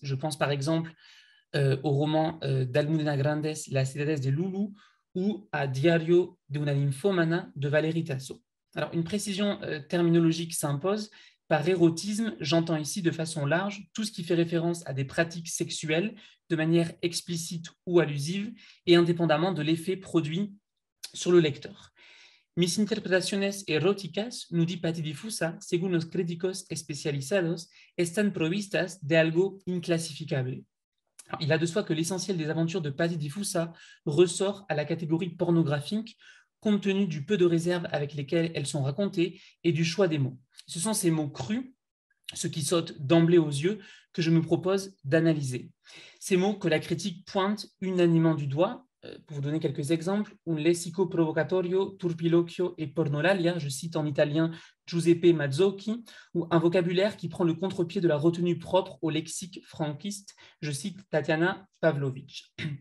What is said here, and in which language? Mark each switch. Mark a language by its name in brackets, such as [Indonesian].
[French] Je pense par exemple au roman d'Almudena Grandes, La Ciudades de Lulu, ou à Diario de una Ninfomana de Valérie Tasso. Alors, une précision terminologique s'impose. Par érotisme, j'entends ici de façon large tout ce qui fait référence à des pratiques sexuelles de manière explicite ou allusive et indépendamment de l'effet produit sur le lecteur. [Spanish] Mis interpretaciones eróticas, [French] nous dit [Spanish] Patti diffusa, según los críticos especializados, están provistas de algo inclassificable. [French] Alors, il va de soi que l'essentiel des aventures de Patti diffusa ressort à la catégorie pornographique, compte tenu du peu de réserve avec lesquelles elles sont racontées et du choix des mots. Ce sont ces mots crus, ce qui saute d'emblée aux yeux, que je me propose d'analyser. Ces mots que la critique pointe unanimement du doigt, pour vous donner quelques exemples, [Italian] un lessico provocatorio, [French] turpiloquio et pornolalia, je cite en italien Giuseppe Mazzocchi, ou un vocabulaire qui prend le contre-pied de la retenue propre au lexique franquiste, je cite Tatiana Pavlovitch.